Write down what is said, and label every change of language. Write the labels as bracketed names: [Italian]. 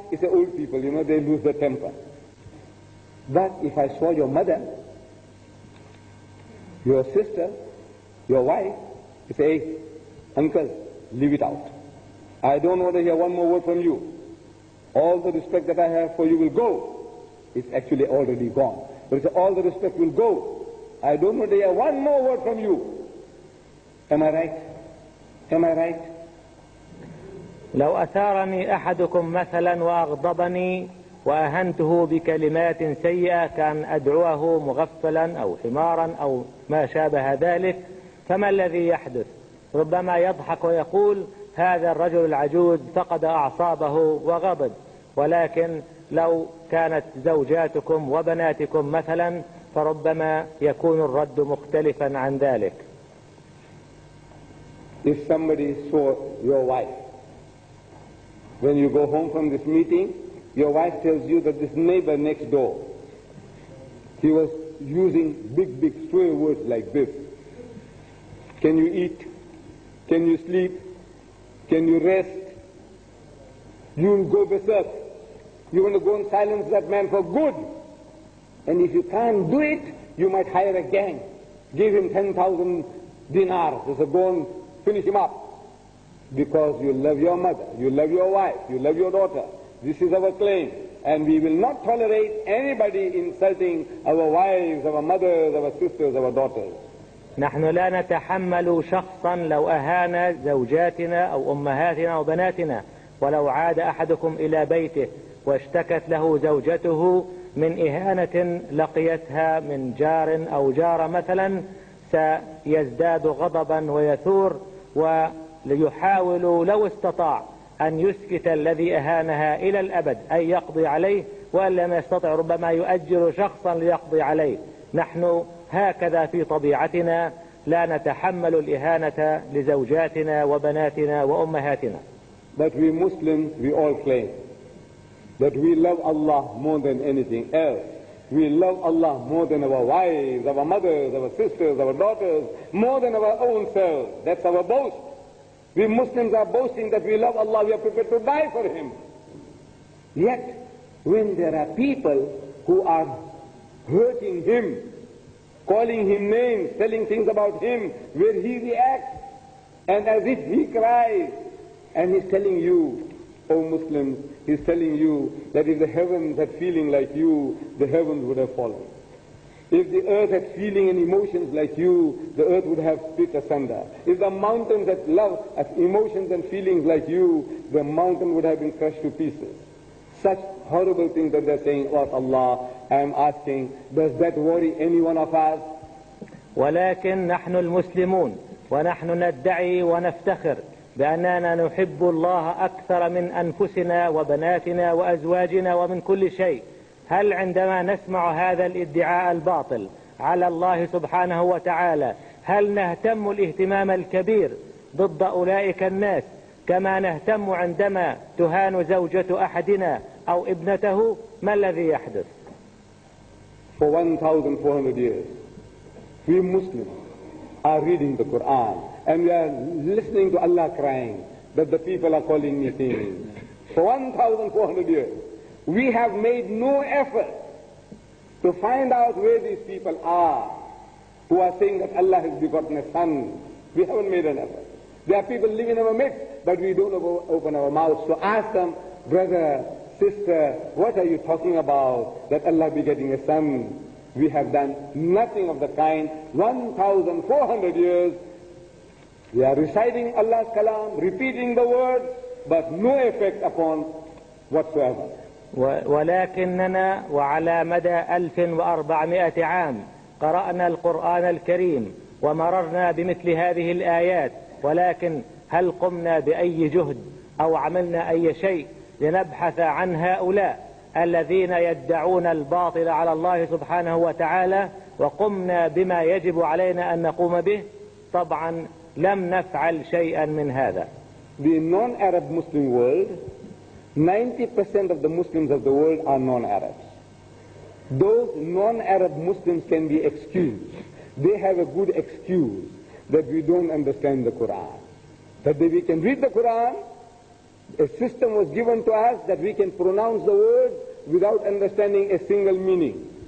[English] It's the old people, you know, they lose their temper. But if I saw your mother, your sister, your wife, you say, hey, uncle, leave it out. I don't want to hear one more word from you. All the respect that I have for you will go. It's actually already gone. But it's all the respect will go. I don't want to hear one more word from you. Am I right? Am I right? [Arabic] لو أثارني أحدكم مثلا وأغضبني وأهنته بكلمات سيئة كان أدعوه مغفلا أو حمارا أو ما شابه ذلك, فما الذي يحدث؟ ربما يضحك ويقول هذا الرجل العجوز فقد أعصابه وغضب. ولكن لو كانت زوجاتكم وبناتكم مثلا فربما يكون الرد مختلفا عن ذلك. [English] If somebody saw your wife, when you go home from this meeting, your wife tells you that this neighbor next door, he was using big, big swear words like this. Can you eat? Can you sleep? Can you rest? You'll go berserk. You want to go and silence that man for good. And if you can't do it, you might hire a gang. Give him 10,000 dinars. There's a gong. Finish him up, because you love your mother, you love your wife, you love your daughter. This is our claim, and we will not tolerate anybody insulting our wives, our mothers, our sisters, our daughters. [Arabic] نحن لا نتحمل شخصا لو أهان زوجاتنا أو أمهاتنا أو بناتنا, ولو عاد أحدكم إلى بيته واشتكت له زوجته من إهانة لقيتها من جار أو جارة مثلا، سيزداد غضبا ويثور، وليحاول لو استطاع أن يسكت الذي أهانها إلى الأبد، أي يقضي عليه، وأن لم يستطع ربما يؤجر شخصا ليقضي عليه. نحن هكذا في طبيعتنا، لا نتحمل الإهانة لزوجاتنا وبناتنا وأمهاتنا. [English] But we Muslims, we all claim that we love Allah more than anything else. We love Allah more than our wives, our mothers, our sisters, our daughters, more than our own selves. That's our boast. We Muslims are boasting that we love Allah, we are prepared to die for Him. Yet, when there are people who are hurting Him, calling Him names, telling things about Him, where He reacts, and as if He cries, and He's telling you, O Muslims, He's telling you that if the heavens had feeling like you, the heavens would have fallen. If the earth had feeling and emotions like you, the earth would have split asunder. If the mountains had love, had emotions and feelings like you, the mountain would have been crushed to pieces. Such horrible things that they're saying about Allah. I'm asking, does that worry any one of us? [Arabic] ولكن نحن المسلمون ونحن ندعي ونفتخر بأننا نحب الله أكثر من أنفسنا وبناتنا وأزواجنا ومن كل شيء. هل عندما نسمع هذا الادعاء الباطل على الله سبحانه وتعالى هل نهتم الاهتمام الكبير ضد أولئك الناس كما نهتم عندما تهان زوجة أحدنا أو ابنته؟ ما الذي يحدث؟ [English] For 1400 years, we Muslims are reading the Quran and we are listening to Allah crying that the people are calling me things. For 1400 years, we have made no effort to find out where these people are who are saying that Allah has begotten a son. We haven't made an effort. There are people living in our midst, but we don't open our mouths to ask them, brother, sister, what are you talking about, that Allah be getting a son? We have done nothing of the kind. 1,400 years, we are reciting Allah's kalam, repeating the words, but no effect upon whatsoever. [Arabic] ولكننا وعلى مدى 1400 عام قرأنا القرآن الكريم ومررنا بمثل هذه الآيات، ولكن هل قمنا بأي جهد أو عملنا أي شيء لنبحث عن هؤلاء الذين يدعون الباطل على الله سبحانه وتعالى وقمنا بما يجب علينا أن نقوم به؟ طبعا لم نفعل شيئا من هذا. [English] The non-Arab Muslim world, 90% of the Muslims of the world are non-Arabs. Those non-Arab Muslims can be excused. They have a good excuse that we don't understand the Quran. That we can read the Quran. A system was given to us that we can pronounce the words without understanding a single meaning.